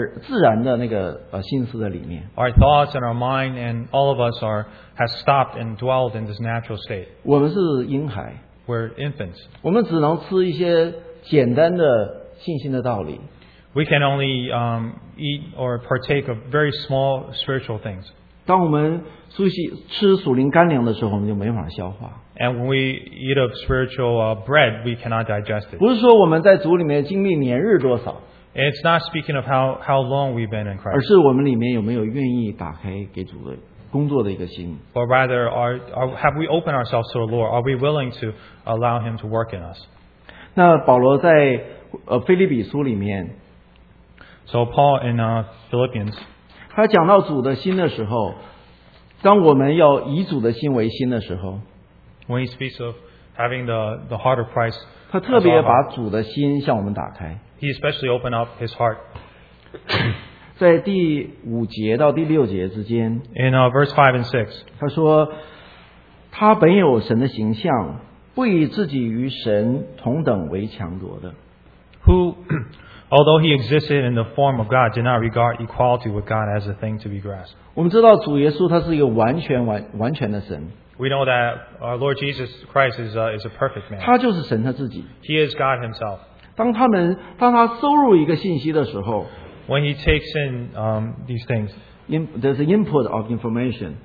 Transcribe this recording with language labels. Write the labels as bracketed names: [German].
[Chinese] 我们的心思意念还是停留在我们那个自然的那个心思的里面。 [English] Our thoughts and our mind and all of us are has stopped and dwelled in this natural state. [Chinese] 我们是婴孩。 [English] We're infants. [Chinese] 我们只能吃一些简单的信心的道理。 [English] We can only eat or partake of very small spiritual things. [Chinese] 当我们吃属灵干粮的时候，我们就没法消化。 [English] And when we eat of spiritual bread, we cannot digest it. [Chinese] 不是说我们在主里面经历年日多少, [English] it's not speaking of how long we've been in Christ. [Chinese] 而是我们里面有没有愿意打开给主的工作的一个心。 [English] Or rather, have we opened ourselves to the Lord? Are we willing to allow Him to work in us? [Chinese] 那保罗在, 菲利比书里面, [English] so Paul in Philippians, [Chinese] 他讲到主的心的时候, 当我们要以主的心为心的时候, [English] when he speaks of having the heart of Christ, [Chinese] 他特别把主的心向我们打开, [English] he especially opened up his heart. [Chinese] 在第五节到第六节之间, [English] in verse 5 and 6, [Chinese] 他说, 他本有神的形象, 不以自己与神同等为强夺的, [English] who, although he existed in the form of God, did not regard equality with God as a thing to be grasped. [Chinese] 我们知道主耶稣他是一个完全的神。 [English] We know that our Lord Jesus Christ is a perfect man. [Chinese] 他就是神他自己。 [English] He is God himself. [Chinese] 当他收入一个信息的时候, [English] when he takes in these things, there's an input of information.